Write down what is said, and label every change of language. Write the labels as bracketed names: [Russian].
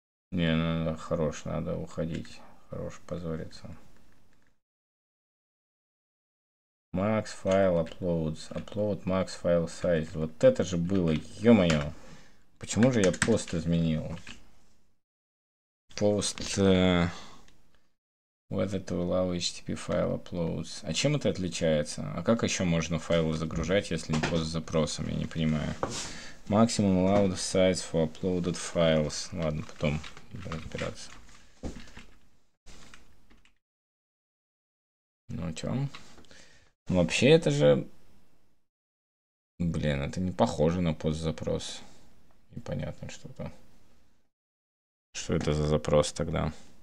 [Russian] Не, ну, хорош, надо уходить. Хорош, позориться. [English] Max file uploads. Upload max file size. [Russian] Вот это же было, ё-моё. Почему же я пост изменил? Пост... [English] What it will allow HTTP file uploads. [Russian] А чем это отличается? А как еще можно файлы загружать, если не пост с запросом? Я не понимаю. [English] Maximum allowed size for uploaded files. [Russian] Ладно, потом разбираться. Ну чё? Вообще это же... Блин, это не похоже на пост запрос. Непонятно что-то. Что это за запрос тогда?